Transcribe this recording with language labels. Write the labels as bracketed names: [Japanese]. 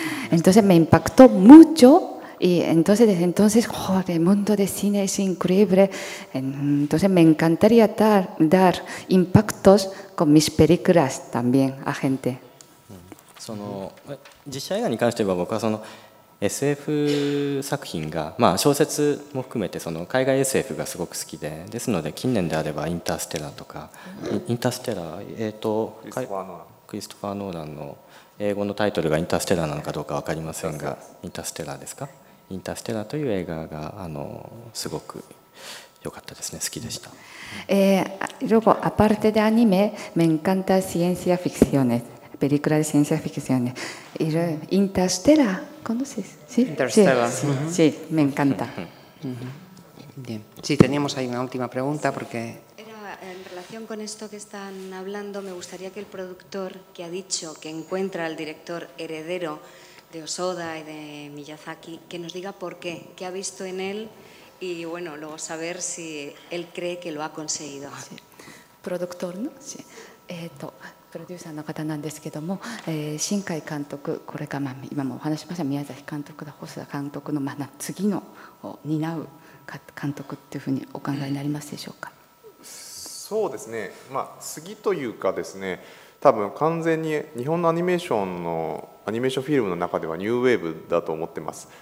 [Spanish] Entonces me impactó mucho y entonces desde entonces, joder, el mundo de cine es increíble. Entonces me encantaría dar impactos con mis películas también a gente. [Japanese] その実写映画に関して言えば僕はその SF 作品が、まあ、小説も含めてその海外 SF がすごく好きでですので近年であればインターステラーとかインターステラー、クリストファー・ノーランの英語のタイトルがインターステラーなのかどうか分かりませんがインターステラーですか？インターステラーという映画がすごく良かったですね。好きでした。 [Spanish] luego aparte de anime me encanta ciencia ficción película de ciencia ficción. Interstellar, ¿conoces? ¿Sí? Interstellar. Sí, sí, me encanta. Bien. Sí, teníamos ahí una última pregunta porque... Era en relación con esto que están hablando, me gustaría que el productor que ha dicho que encuentra al director heredero de Osoda y de Miyazaki, que nos diga por qué, qué ha visto en él y bueno, luego saber si él cree que lo ha conseguido. Sí. Productor, ¿no? Sí. [Japanese] プロデューサーの方なんですけども、新海監督これが、まあ、今もお話しました宮崎監督が細田監督の、まあ、次のを担う監督というふうにお考えになりますでしょうか。そうですね、まあ、次というかですね、多分完全に日本のアニメーションのアニメーションフィルムの中ではニューウェーブだと思ってます。